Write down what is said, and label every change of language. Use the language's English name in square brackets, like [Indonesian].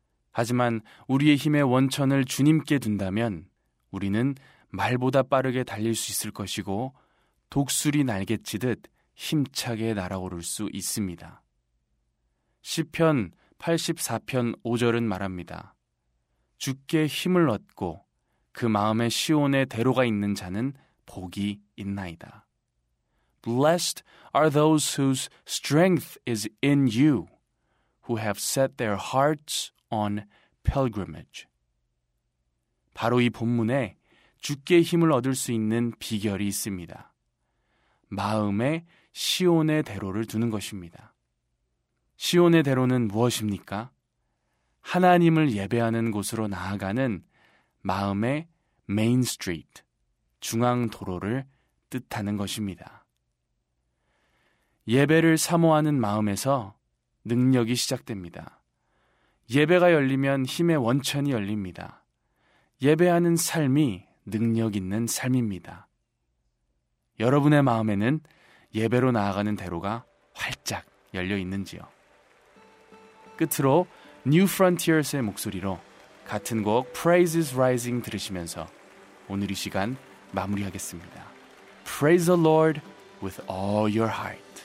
[Korean] 하지만 우리의 힘의 원천을 주님께 둔다면 우리는 말보다 빠르게 달릴 수 있을 것이고 독수리 날개치듯 힘차게 날아오를 수 있습니다. 시편 84편 5절은 말합니다. 주께 힘을 얻고 그 마음의 시온에 대로가 있는 자는 복이 있나이다. [English] Blessed are those whose strength is in you, who have set their hearts on pilgrimage. [Korean] 바로 이 본문에 주께 힘을 얻을 수 있는 비결이 있습니다. 마음의 시온의 대로를 두는 것입니다. 시온의 대로는 무엇입니까? 하나님을 예배하는 곳으로 나아가는 마음의 Main Street, 중앙도로를 뜻하는 것입니다. 예배를 사모하는 마음에서 능력이 시작됩니다. 예배가 열리면 힘의 원천이 열립니다. 예배하는 삶이 능력 있는 삶입니다. 여러분의 마음에는 예배로 나아가는 대로가 활짝 열려 있는지요. 끝으로 New Frontiers의 목소리로 같은 곡 Praise is Rising 들으시면서 오늘 이 시간 마무리하겠습니다. [English] Praise the Lord with all your heart.